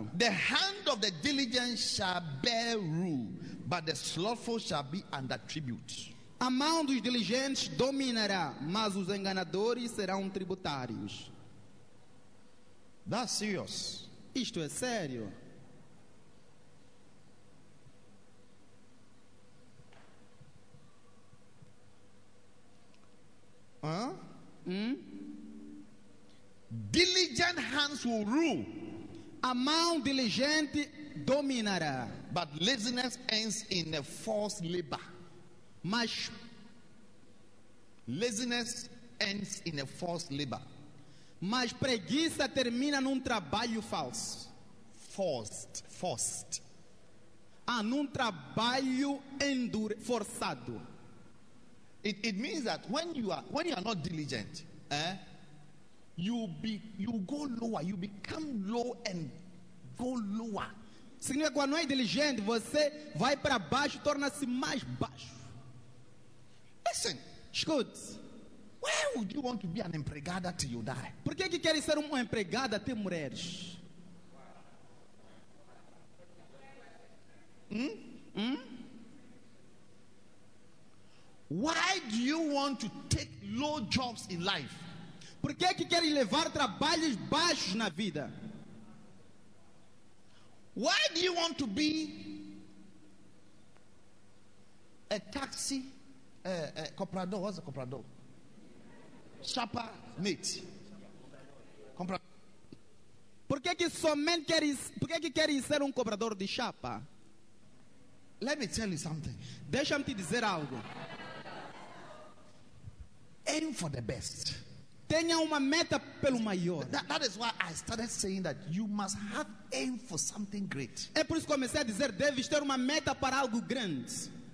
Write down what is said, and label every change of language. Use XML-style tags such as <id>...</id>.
<en>The hand of the diligent shall bear rule, but the slothful shall be under tribute.</en> <pt>A mão dos diligentes dominará, mas os enganadores serão tributários.</pt> <en>That's serious.</en> <pt>Isto é sério.</pt> <en>Diligent hands will rule.</en> <pt>A mão diligente dominará.</pt> <en>But laziness ends in a forced labor.</en> <pt>Mas</pt> <en>laziness ends in a forced labor.</en> <pt>Mas preguiça termina num trabalho falso.</pt> <en>Forced, forced.</en> <pt>Ah, num trabalho forçado.</pt> <en>It means that when you are not diligent, you become low and go lower.</en> <pt>Significa quando é diligente, você vai para baixo, torna-se mais baixo.</pt> <en>Listen,</en> <pt>escute.</pt> <en>Where would you want to be an empregada till you die?</en> <pt>Por que queres ser uma empregada até morrer?</pt> <en>Why do you want to take low jobs in life?</en> <pt>Por que querem levar trabalhos baixos na vida?</pt> <en>Why do you want to be a taxi, a comprador, what's a comprador? Chapa mate.</en> <pt>Por que quer ser cobrador de chapa?</pt> <en>Let me tell you something.</en> <pt>Deixa-me te dizer algo.</pt> <en>Aim for the best.</en> <pt>Tenha uma meta pelo maior.</pt> <en>That is why I started saying that you must have aim for something great.</en> <pt>É por isso que comecei a dizer, deves ter uma meta para algo grande.</pt>